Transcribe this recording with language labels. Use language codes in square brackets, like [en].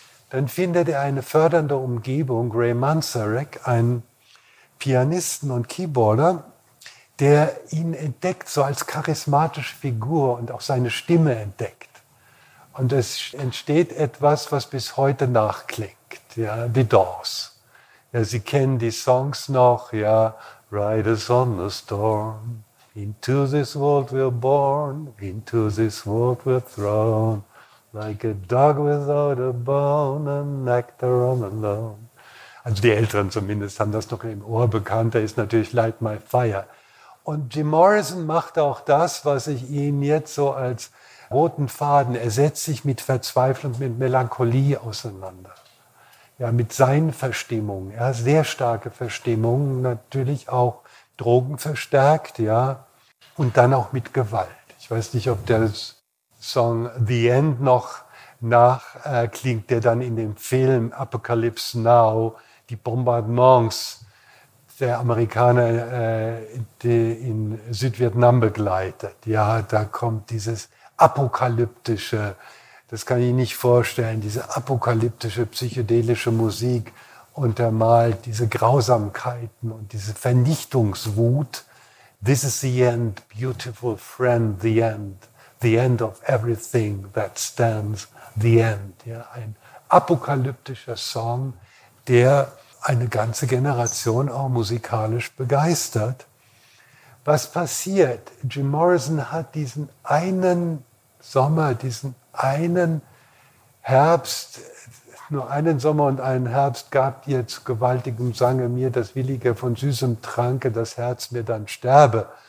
[de] Dann findet er eine fördernde Umgebung, Ray Manzarek, einen Pianisten und Keyboarder, der ihn entdeckt, so als charismatische Figur und auch seine Stimme entdeckt. Und es entsteht etwas, was bis heute nachklingt, ja, The Doors. Ja, Sie kennen die Songs noch, ja, [en] Riders on the storm, into this world we're born, into this world we're thrown, like a dog without a bone, an actor on the lawn. [de] Also die Älteren zumindest haben das noch im Ohr. Bekannter ist natürlich Light My Fire. Und Jim Morrison macht auch das, was ich Ihnen jetzt so als roten Faden, er setzt sich mit Verzweiflung, mit Melancholie auseinander. Ja, mit seinen Verstimmungen, ja, sehr starke Verstimmungen, natürlich auch drogenverstärkt, ja, und dann auch mit Gewalt. Ich weiß nicht, ob der Song The End noch nachklingt, der dann in dem Film Apocalypse Now, die Bombardements der Amerikaner in Südvietnam begleitet. Ja, da kommt dieses apokalyptische, das kann ich nicht vorstellen, diese apokalyptische, psychedelische Musik untermalt diese Grausamkeiten und diese Vernichtungswut. [en] This is the end, beautiful friend, the end of everything that stands, the end. [de] Ja, ein apokalyptischer Song, der eine ganze Generation auch musikalisch begeistert. Was passiert? Jim Morrison hat diesen einen Sommer, diesen einen Herbst, nur einen Sommer und einen Herbst gab dir zu gewaltigem Sange mir das Willige von süßem Tranke, das Herz mir dann sterbe.